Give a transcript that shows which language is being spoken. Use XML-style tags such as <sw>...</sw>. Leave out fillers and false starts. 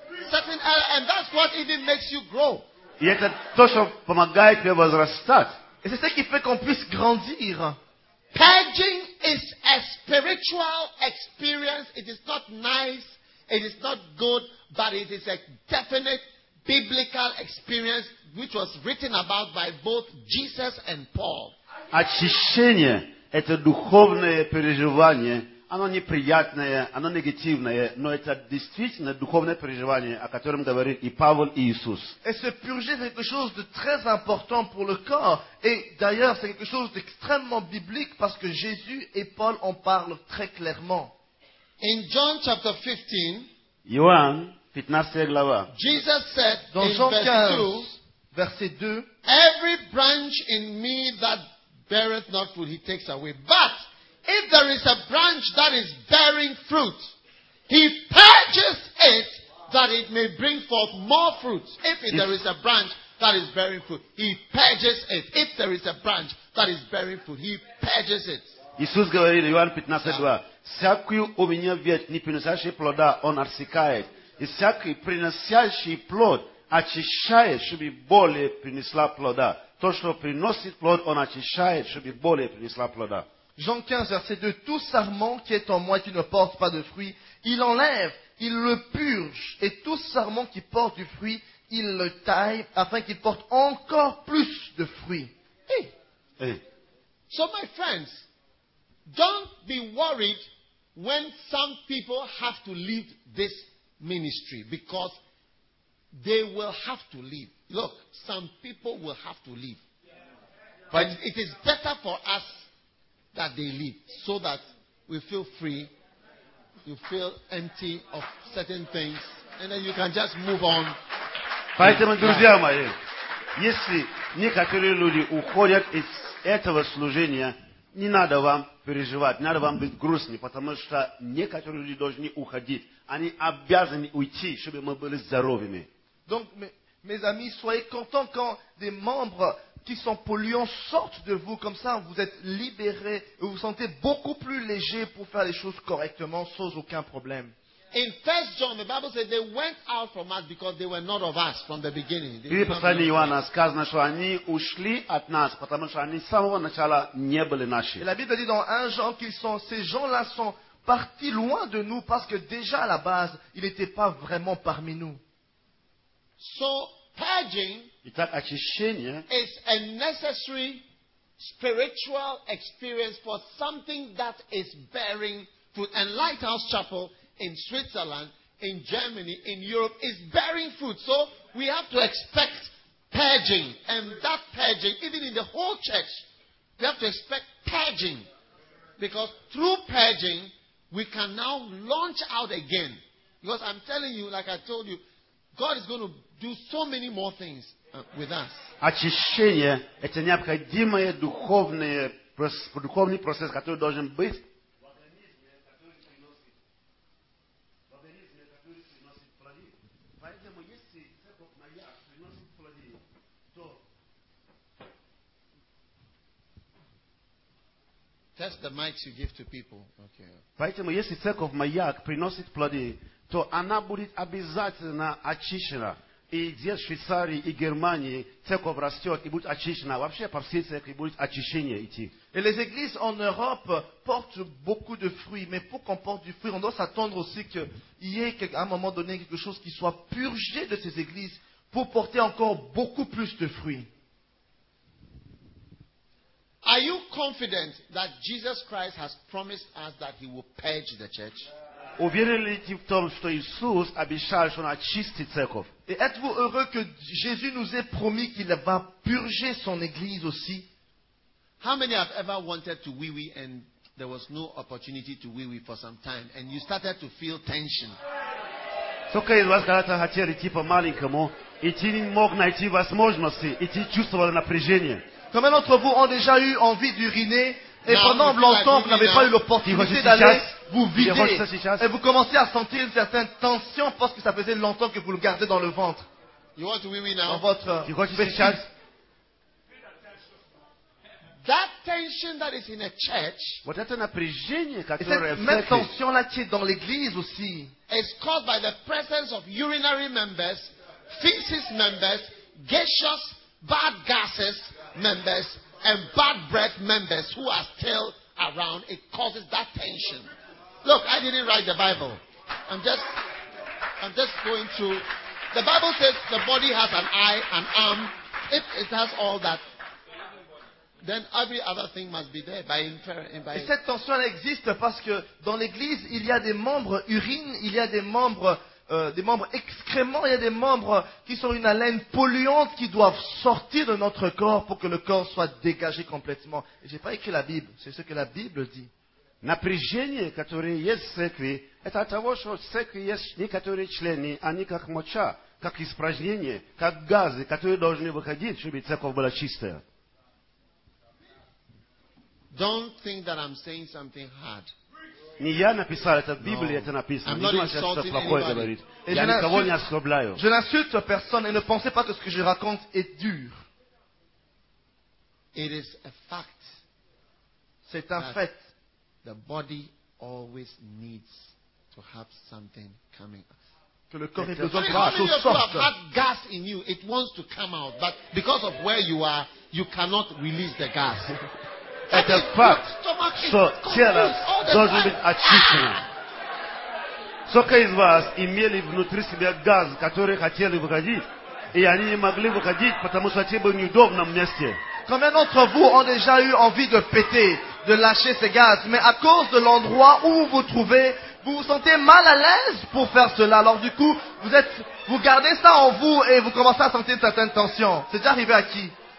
<en>Certain elements, and that's what even makes you grow.</en> <fr>Et c'est ce qui vous aide à grandir. Et c'est ce qui fait qu'on puisse grandir.</fr> <en>Purging is a spiritual experience. It is not nice. It is not good. But it is a definite biblical experience which was written about by both Jesus and Paul.</en> <ru>Очищение – это духовное переживание. Оно неприятное, оно негативное, но это действительно духовное переживание, о котором говорит и Павел, и Иисус.</ru> <fr>Et se purger, c'est quelque chose de très important pour le corps. Et d'ailleurs, c'est quelque chose d'extrêmement biblique parce que Jésus et Paul en parlent très clairement.</fr> <en>In John chapter 15,</en> <ru>Иоанн, 15 глава,</ru> <en>Jesus said</en> <fr>dans</fr> <en>in</en> <fr>Jean 15,</fr> <en>verse 2,</en> <fr>verset 2,</fr> <en>every branch in me that beareth not fruit, he takes away. But if there is a branch that is bearing fruit, he purges it that it may bring forth more fruit. If there is a branch that is bearing fruit, he purges it. If there is a branch that is bearing fruit, he purges it.</en> <ru>Иисус говорит, Иоанн 15:2, «Всякую у меня ветвь, не приносящую плода, он отсекает, и всякий приносящий плод очищает, чтобы более принесла плода. То, что приносит плод, он очищает, чтобы более принесла плода».</ru> <fr>Jean 15, verset 2, tout sarment qui est en moi qui ne porte pas de fruit, il enlève, il le purge, et tout sarment qui porte du fruit, il le taille afin qu'il porte encore plus de fruits.</fr> <en>Hey. So my friends, don't be worried when some people have to leave this ministry because they will have to leave. Look, some people will have to leave. But it is better for us that they leave, so that we feel free, you feel empty of certain things, and then you can just move on.</en> <ru>Поэтому, друзья мои, если некоторые люди уходят из этого служения, не надо вам переживать, не надо вам быть грустными, потому что некоторые люди должны уходить. Они обязаны уйти, чтобы мы были здоровыми.</ru> <fr>Donc, mes amis, soyez contents quand des membres qui sont polluants sortent de vous, comme ça vous êtes libérés et vous vous sentez beaucoup plus léger pour faire les choses correctement sans aucun problème.</fr> <en>In 1 John, the Bible says they went out from us because they were not of us from the beginning.</en> <ru>В послании Иоанна сказано, что они ушли от нас, потому что они с самого начала не были наши.</ru> <fr>La Bible dit dans 1 Jean qu'ils sont, ces gens-là sont partis loin de nous parce que déjà à la base, ils n'étaient pas vraiment parmi nous.</fr> <en>So, purging.</en> <ru>Итак, очищение</ru> <en>is a necessary spiritual experience for something that is bearing fruit. And Lighthouse Chapel in Switzerland, in Germany, in Europe is bearing fruit. So we have to expect purging. And that purging, even in the whole church, we have to expect purging. Because through purging, we can now launch out again. Because I'm telling you, like I told you, God is going to do so many more things.</en> <ru>Очищение – это необходимый духовный процесс, который должен быть в организме, который приносит плоды. Поэтому, если церковь моя приносит плоды, то...</ru> <en>Test the mics you give to people. Okay.</en> <ru>Поэтому, если церковь моя приносит плоды, то она будет обязательно очищена. И здесь, в Швейцарии, и Германии, церковь растет и будет очищена. Вообще, по всей церкви будет очищение идти.</ru> <fr>Et les églises en Europe portent beaucoup de fruits. Mais pour qu'on porte du fruit, on doit s'attendre aussi qu'il y ait à un moment donné quelque chose qui soit purgé de ces églises pour porter encore beaucoup plus de fruits.</fr> <en>Are you confident that Jesus Christ has promised us that he will purge the church?</en> <ru>Уверен ли ты в том, что Иисус обещал, что он очистит церковь?</ru> <fr>Et êtes-vous heureux que Jésus nous ait promis qu'il va purger son église aussi?</fr> <en>How many have ever wanted to wee-wee and there was no opportunity to wee-wee for some time and you started to feel tension?</en> <ru>Сколько из вас когда-то хотели идти по-маленькому, и ты не мог найти возможности, и ты чувствовал напряжение?</ru> <fr>Combien d'entre vous ont déjà eu envie d'uriner et pendant longtemps vous n'avez pas eu l'opportunité d'aller vous vider et vous commencez à sentir une certaine tension parce que ça faisait longtemps que vous le gardez dans le ventre.</fr> <en>You want to wee wee now?</en> <fr>Dans votre</fr> <en>That tension that is in a church.</en> <ru>Вот это напряжение, которое в</ru> <fr>Cette même tension là qui est dans l'église aussi.</fr> <en>It's caused by the presence of urinary members, feces members, gaseous bad gases members, and bad breath members who are still around, it causes that tension. Look, I didn't write the Bible. I'm just going to. The Bible says the body has an eye, an arm. If it has all that, then every other thing must be there by inference.</en> <fr>Et cette tension existe parce que dans l'église, il y a des membres urine, il y a des membres excréments, il y a des membres qui sont une haleine polluante qui doivent sortir de notre corps pour que le corps soit dégagé complètement. Je n'ai pas écrit la Bible, c'est ce que la Bible dit.</fr> <ru>Напряжение, которое есть в церкви, это от того, что в церкви есть некоторые члены, они как моча, как испражнения, как газы, которые должны выходить, чтобы церковь была чистая.</ru> <en>Don't think that I'm saying something hard.</en> <ru>Не я написал это, в Библии это написано. Не думай, что это плохое говорит. Я никого не оскорбляю.</ru> <fr>Je n'insulte personne et ne pensez pas que ce que je raconte est dur.</fr> <en>It is a fact.</en> <fr>C'est un fait.</fr> <en>The body always needs to have something coming out.</en> <fr>Que le corps ait besoin de quelque chose.</fr> <en>If you have had gas in you, it wants to come out, but because of where you are, you cannot release the gas. At the fact,</en> <ru>что тело должно быть очищено. Сколько из вас имели внутри себя газ, который хотели выходить, и они не могли выходить, потому что тебе было неудобно в месте?</ru> <fr>Combien d'entre vous ont déjà eu envie de péter, de lâcher ces gaz, mais à cause de l'endroit où vous vous trouvez, vous vous sentez mal à l'aise pour faire cela. Alors du coup, vous gardez ça en vous et vous commencez à sentir une certaine tension. C'est déjà arrivé à qui?</fr>